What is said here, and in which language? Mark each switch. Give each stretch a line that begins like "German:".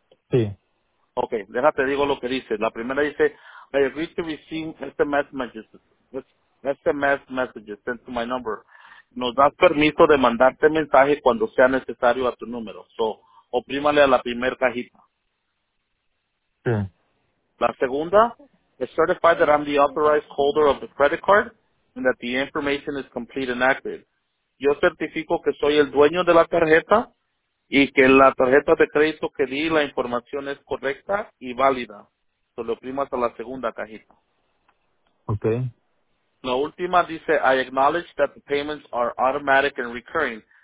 Spanish: Sí.
English: Okay.
Spanish: Déjate digo lo que dice. La primera dice,
English: I agree to receive SMS messages sent to my number.
Spanish: Nos das permiso de mandarte mensaje cuando sea necesario a tu número. So, oprímale a la primer cajita. Sí. La segunda,
English: it's certified that I'm the authorized holder of the credit card and that the information is complete and accurate.
Spanish: Yo certifico que soy el dueño de la tarjeta y que la tarjeta de crédito que di, la información es correcta y válida. So, le oprimas a la segunda cajita. Okay. La última dice,
English: I acknowledge that the payments are automatic and recurring.